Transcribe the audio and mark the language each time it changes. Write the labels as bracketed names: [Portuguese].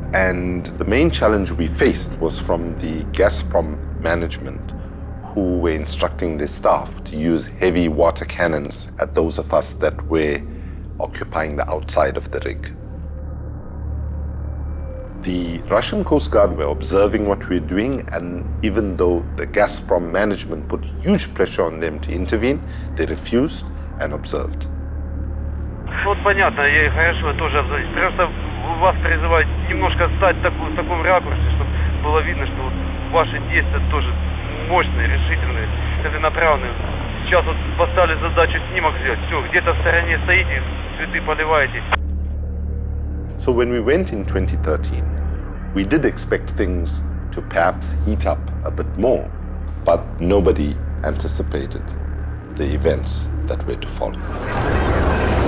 [English] And the main challenge we faced was from the Gazprom management, who were instructing their staff to use heavy water cannons at those of us that were occupying the outside of the rig. The Russian Coast Guard were observing what we were doing, and even though the Gazprom management put huge pressure on them to intervene, they refused and observed. [Russian] Вот понятно, я, конечно, тоже обзавелись. Просто вас призывают немножко стать в таком ракурсе, чтобы было видно, что вот ваши действия тоже мощные, решительные, целенаправленные. Сейчас вот поставили задачу снимок сделать. Все, где-то в стороне стоите, цветы поливаете. [English] So when we went in 2013, we did expect things to perhaps heat up a bit more, but nobody anticipated the events that were to follow.